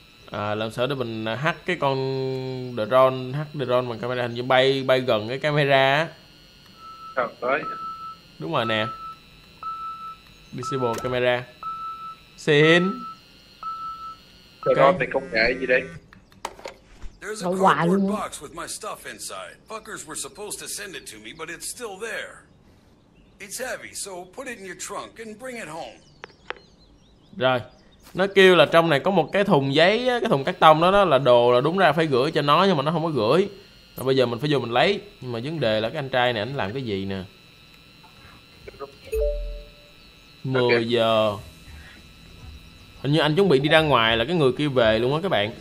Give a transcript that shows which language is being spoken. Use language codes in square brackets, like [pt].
[vi] À, làm sao để mình hack cái con drone, hack drone bằng camera hình như bay gần cái camera á. Tới. Đúng rồi nè. Disable camera. Xin. Drone này công nghệ gì đây? [en] There's a cardboard box with my stuff inside. Fuckers were supposed to send it to me, but it's still there. It's heavy, so put it in your trunk and bring it home. [vi] Rồi, nó kêu là trong này có một cái thùng giấy, cái thùng cắt tông đó là đồ là đúng ra phải gửi cho nó nhưng mà nó không có gửi. Rồi bây giờ mình phải vô mình lấy. Nhưng mà vấn đề là cái anh trai này anh làm cái gì nè. 10 giờ. Hình như anh chuẩn bị đi ra ngoài là cái người kia về luôn á các bạn.